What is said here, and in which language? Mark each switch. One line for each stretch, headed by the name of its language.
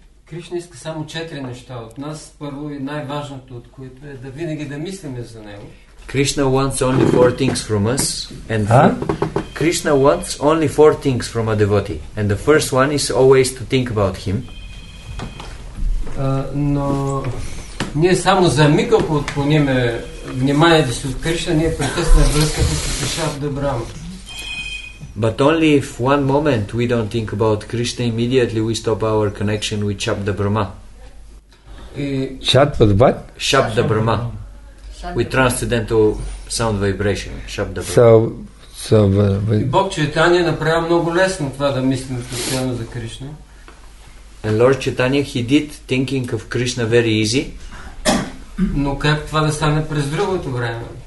Bulgarian: Кришна иска само четири неща от нас. Първо и най-важното от които е да винаги да мислиме за него.
English: Krishna wants only four things from us. And Krishna wants only four things from a devotee. And the first one is always to think about him.
Bulgarian: Но ние само за миг ако отклоним вниманието си от Кришна, ние прекъсваме връзката с Шарда Брама.
English: But only if one moment we don't think about Krishna, immediately we stop our connection with Shabda Brahma. Shabda with what? Shabda Brahma. With transcendental sound vibration. Shabda Brahma. So
Bulgarian: Бог Чайтанья направи много лесно това да мислим постоянно за Кришна.
English: And Lord Chaitanya, he did thinking of Krishna very easy.
Bulgarian: Но как това да стане през другото време?